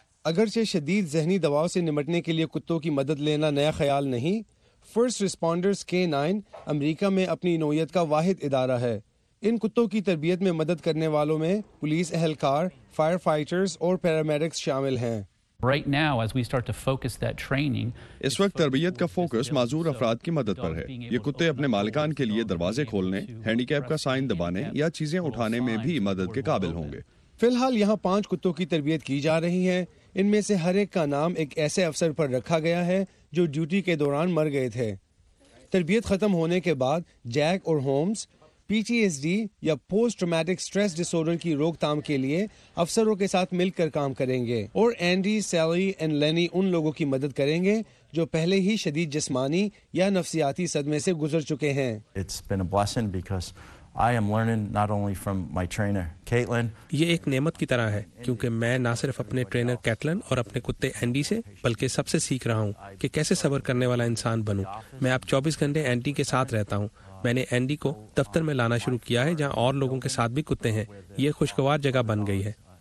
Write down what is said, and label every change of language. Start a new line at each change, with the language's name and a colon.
Urdu: اگرچہ شدید ذہنی دباؤ سے نمٹنے کے لیے کتوں کی مدد لینا نیا خیال نہیں، فرسٹ ریسپونڈرز K9 امریکہ میں اپنی نوعیت کا واحد ادارہ ہے. ان کتوں کی تربیت میں مدد کرنے والوں میں پولیس اہلکار، فائر فائٹرز اور پیرامیڈکس شامل ہیں.
English: Right now, as we start to focus that training,
Urdu: اس وقت تربیت کا فوکس معذور افراد کی مدد پر ہے. یہ کتے اپنے مالکان کے لیے دروازے کھولنے، ہینڈی کیپ کا سائن دبانے یا چیزیں اٹھانے میں بھی مدد کے قابل ہوں گے. فی الحال یہاں 5 کتوں کی تربیت کی جا رہی ہے. ان میں سے ہر ایک کا نام ایک ایسے افسر پر رکھا گیا ہے جو ڈیوٹی کے دوران مر گئے تھے. تربیت ختم ہونے کے بعد جیک اور ہومز PTSD یا پوسٹ ٹرامیٹک سٹریس ڈس آرڈر کی روک تھام کے لیے افسروں کے ساتھ مل کر کام کریں گے، اور اینڈی، سیلی اینڈ لینی ان لوگوں کی مدد کریں گے جو پہلے ہی شدید جسمانی یا نفسیاتی صدمے سے گزر چکے ہیں.
English: It's been a blessing because I am learning not only from my trainer Caitlin.
Urdu: یہ ایک نعمت کی طرح ہے کیونکہ میں نہ صرف اپنے ٹرینر کیٹلن اور اپنے کتے اینڈی سے بلکہ سب سے سیکھ رہا ہوں کہ کیسے صبر کرنے والا انسان بنوں. میں اب 24 گھنٹے اینڈی کے ساتھ رہتا ہوں. میں نے اینڈی کو دفتر میں لانا شروع کیا ہے جہاں اور لوگوں کے ساتھ بھی کتے ہیں. یہ خوشگوار جگہ بن گئی ہے.